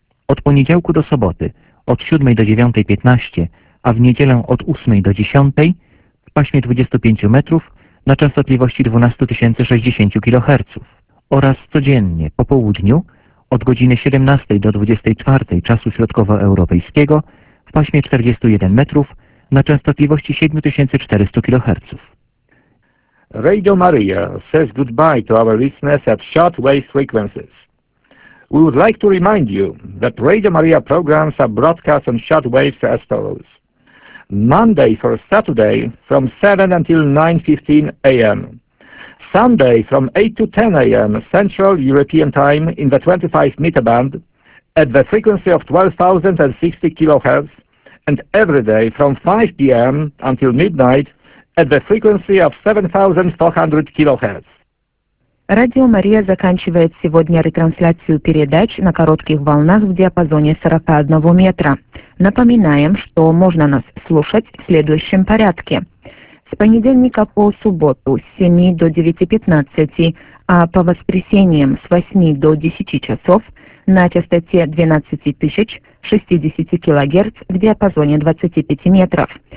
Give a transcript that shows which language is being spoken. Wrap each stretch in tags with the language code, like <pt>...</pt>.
<pl>Od poniedziałku do soboty od 7 do 9.15, a w niedzielę od 8 do 10 w paśmie 25 metrów na częstotliwości 12 060 kHz oraz codziennie po południu od godziny 17 do 24 czasu środkowoeuropejskiego w paśmie 41 metrów na częstotliwości 7400 kHz.</pl> <en>Radio Maria says goodbye to our listeners at shortwave frequencies. We would like to remind you that Radio Maria programs are broadcast on shortwaves as follows. Monday for Saturday from 7 until 9.15 a.m. Sunday from 8 to 10 a.m. Central European Time in the 25-meter band at the frequency of 12,060 kHz and every day from 5 p.m. until midnight at the frequency of 7,400 kHz.</en> <ru>Radio Maria заканчивает сегодня ретрансляцию передач на коротких волнах в диапазоне 41 метра. Напоминаем, что можно нас слушать в следующем порядке. С понедельника по субботу с 7 до 9.15, а по воскресеньям с 8 до 10 часов на частоте 12 060 кГц в диапазоне 25 метров.</ru>